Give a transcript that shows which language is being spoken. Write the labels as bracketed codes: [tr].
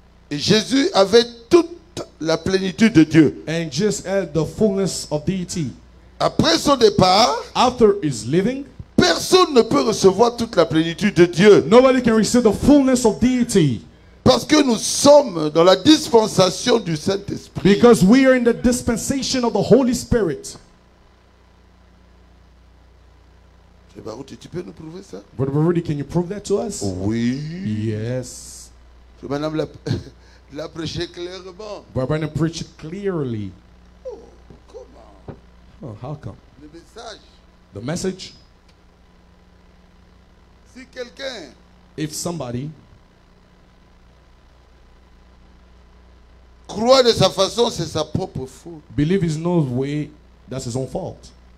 [fr] Et Jésus avait tout la plénitude de Dieu. [en] And just had the fullness of deity. [fr] Après son départ, [en] after his leaving, [fr] personne ne peut recevoir toute la plénitude de Dieu. [en] Nobody can receive the fullness of deity. [fr] Parce que nous sommes dans la dispensation du Saint-Esprit. [en] Because we are in the dispensation of the Holy Spirit. [fr] Baruti, tu peux nous prouver ça? [en] Brother Baruti, can you prove that to us? [fr] Oui. [en] Yes. [fr] Madame la l'a prêché clairement. [en] We're going to preach it clearly. [fr] Oh, comment? [en] Oh, how come? [fr] Le message. [en] The message. [fr] Si quelqu'un. [en] If somebody. [fr] Croit de sa façon, c'est sa propre faute. [en] Believe his own way, that's his own fault.